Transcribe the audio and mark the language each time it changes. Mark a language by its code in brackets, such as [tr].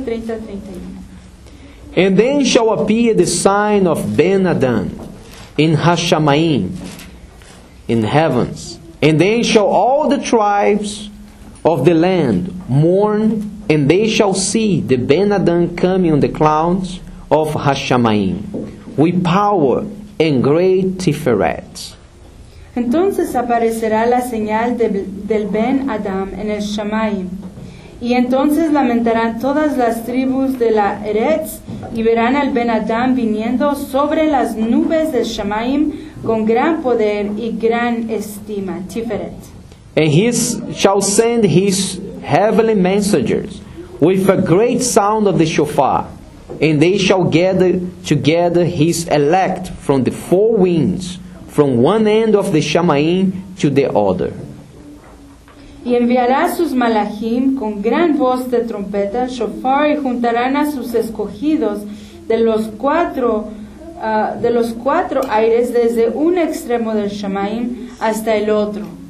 [en] And then shall appear the sign of Ben-Adam in Hashamayim, in heavens. And then shall all the tribes of the land mourn, and they shall see the Ben-Adam coming on the clouds of Hashamayim, with power and great Tiferet. [es] Entonces aparecerá la señal del Ben-Adam en el Shamayim, y entonces lamentarán todas las tribus de la Eretz, y verán al Ben-Adam viniendo sobre las nubes del Shamayim con gran poder y gran estima, Tiferet. [en] And he shall send his heavenly messengers with a great sound of the shofar, and they shall gather together his elect from the four winds, from one end of the Shamayim to the other. [es] Y enviará sus malachim con gran voz de trompeta, shofar, y juntarán a sus escogidos de los cuatro aires desde un extremo del Shamayim hasta el otro.